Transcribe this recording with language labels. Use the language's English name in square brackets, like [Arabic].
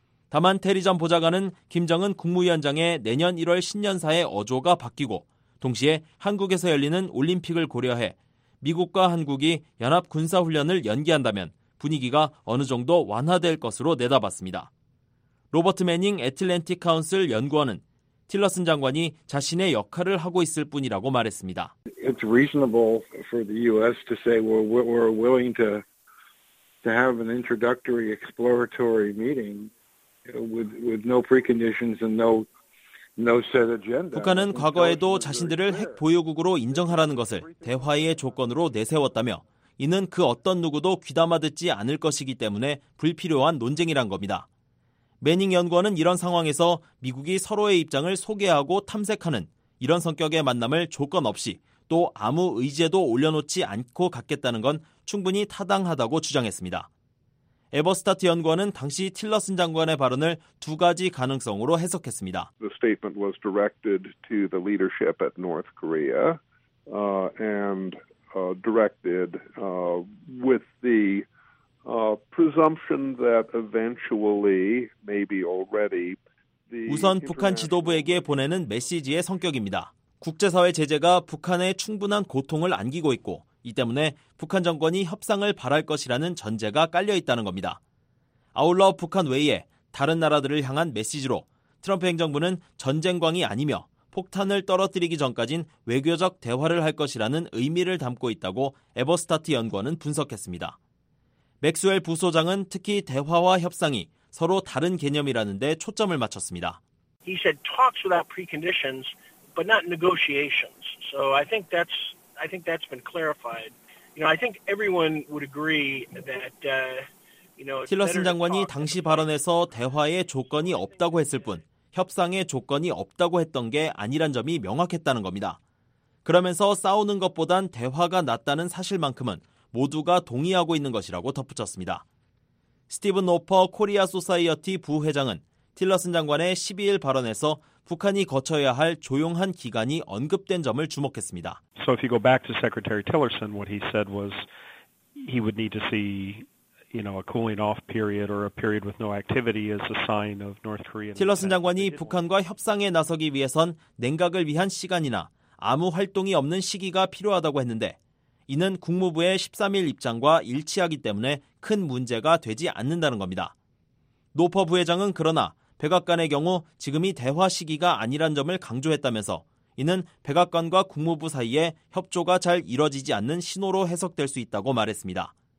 [Korean] 다만 테리 전 보좌관은 김정은 국무위원장의 내년 1월 신년사의 어조가 바뀌고 동시에 한국에서 열리는 올림픽을 고려해 미국과 한국이 연합군사훈련을 연기한다면 분위기가 어느 정도 완화될 것으로 내다봤습니다. 로버트 매닝 애틀랜틱 카운슬 연구원은 틸러슨 장관이 자신의 역할을 하고 있을 뿐이라고 말했습니다. [English] It's reasonable for the U.S. to say we're willing to have an introductory exploratory meeting with no preconditions and no set agenda. [Korean] 북한은 과거에도 자신들을 핵 보유국으로 인정하라는 것을 대화의 조건으로 내세웠다며 이는 그 어떤 누구도 귀담아 듣지 않을 것이기 때문에 불필요한 논쟁이란 겁니다. 매닝 연구원은 이런 상황에서 미국이 서로의 입장을 소개하고 탐색하는 이런 성격의 만남을 조건 없이 또 아무 의제도 올려놓지 않고 갖겠다는 건 충분히 타당하다고 주장했습니다. 에버스타트 연구원은 당시 틸러슨 장관의 발언을 두 가지 가능성으로 해석했습니다. [English] The statement was directed to the leadership at North Korea and directed with the presumption that eventually, maybe already, [Korean] 우선 북한 지도부에게 보내는 메시지의 성격입니다. 국제사회 제재가 북한에 충분한 고통을 안기고 있고 이 때문에 북한 정권이 협상을 바랄 것이라는 전제가 깔려 있다는 겁니다. 아울러 북한 외에 다른 나라들을 향한 메시지로 트럼프 행정부는 전쟁광이 아니며 폭탄을 떨어뜨리기 전까진 외교적 대화를 할 것이라는 의미를 담고 있다고 에버스타트 연구원은 분석했습니다. 맥스웰 부소장은 특히 대화와 협상이 서로 다른 개념이라는 데 초점을 맞췄습니다. [English] He said talks without preconditions, but not negotiations. So I think that's been clarified. You know, I think everyone would agree that you know, [Korean] 틸러슨 장관이 당시 발언에서 대화의 조건이 없다고 했을 뿐 협상의 조건이 없다고 했던 게 아니란 점이 명확했다는 겁니다. 그러면서 싸우는 것보단 대화가 낫다는 사실만큼은 모두가 동의하고 있는 것이라고 덧붙였습니다. 스티븐 노퍼 코리아 소사이어티 부회장은 틸러슨 장관의 12일 발언에서 북한이 거쳐야 할 조용한 기간이 언급된 점을 주목했습니다. [English] So if you go back to Secretary Tillerson, what he said was he would need to see, you know, a cooling off period or a period with no activity as a sign of North Korea. [Korean] 틸러슨 장관이 북한과 협상에 나서기 위해선 냉각을 위한 시간이나 아무 활동이 없는 시기가 필요하다고 했는데 이는 국무부의 13일 입장과 일치하기 때문에 큰 문제가 되지 않는다는 겁니다. 노퍼 부회장은 그러나 백악관의 경우 지금이 대화 시기가 아니란 점을 강조했다면서 이는 백악관과 국무부 사이에 협조가 잘 이뤄지지 않는 신호로 해석될 수 있다고 말했습니다.